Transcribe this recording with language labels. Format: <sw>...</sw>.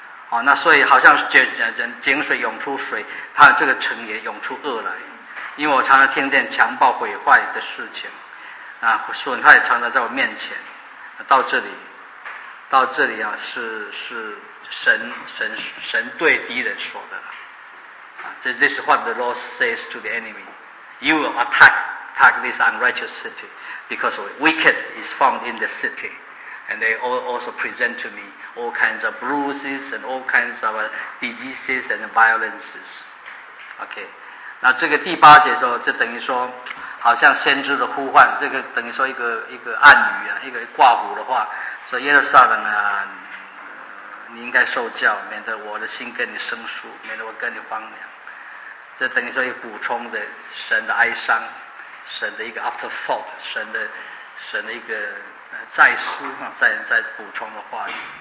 <zh>哦，那所以好像是井水涌出水，他这个城也涌出恶来。因为我常常听见强暴毁坏的事情，啊，损害常常在我面前。到这里啊，是神对敌人说的了。</zh> <en>This is what the Lord says to the enemy. You will attack this unrighteous city because wicked is found in the city. And they also present to me all kinds of bruises and all kinds of diseases and violences. Okay.</en> <zh>那这个第八节说，这等于说好像先知的呼唤，这个等于说一个暗语啊，一个挂虎的话，说耶路撒冷啊，你应该受教，免得我的心跟你生疏，免得我跟你荒凉。这等于说一个补充的神的哀伤，神的一个 afterthought， 神的一个再思啊，再补充的话语。</zh>